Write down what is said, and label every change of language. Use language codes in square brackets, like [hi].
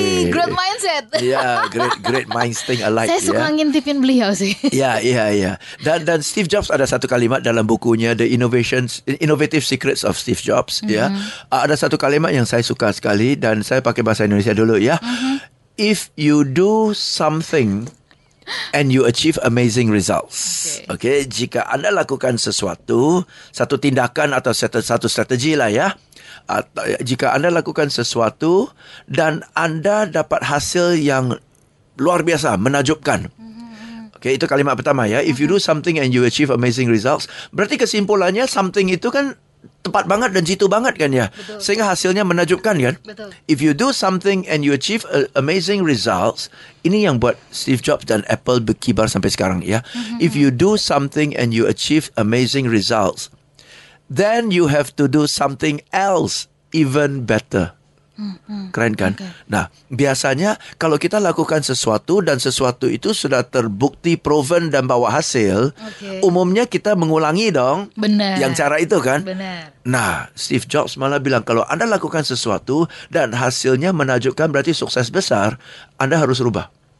[en] Great mindset. Great mindset alike. [id] Saya suka ngintipin beliau sih. Dan Steve Jobs ada satu kalimat dalam bukunya The Innovative Secrets of Steve Jobs. Ada satu kalimat yang saya suka sekali dan saya pakai bahasa Indonesia dulu ya. [en] If you do something and you achieve amazing results. [id] Okay, jika Anda lakukan sesuatu, satu tindakan atau satu strategi lah ya. Atau, jika Anda lakukan sesuatu dan Anda dapat hasil yang luar biasa, menakjubkan. Okay, itu kalimat pertama ya. [en] If you do something and you achieve amazing results, [id] berarti kesimpulannya something itu kan tepat banget dan jitu banget kan ya. Betul. Sehingga hasilnya menakjubkan kan. Betul. [en] If you do something and you achieve amazing results, [id] ini yang buat Steve Jobs dan Apple berkibar sampai sekarang ya. [en] If you do something and you achieve amazing results, then you have to do something else even better. [id] Keren kan? Nah, biasanya kalau kita lakukan sesuatu dan sesuatu itu sudah terbukti, proven dan bawa hasil, umumnya kita mengulangi dong. Bener. Yang cara itu kan? Bener. Nah, Steve Jobs malah bilang kalau Anda lakukan sesuatu dan hasilnya menakjubkan berarti sukses besar, Anda harus rubah.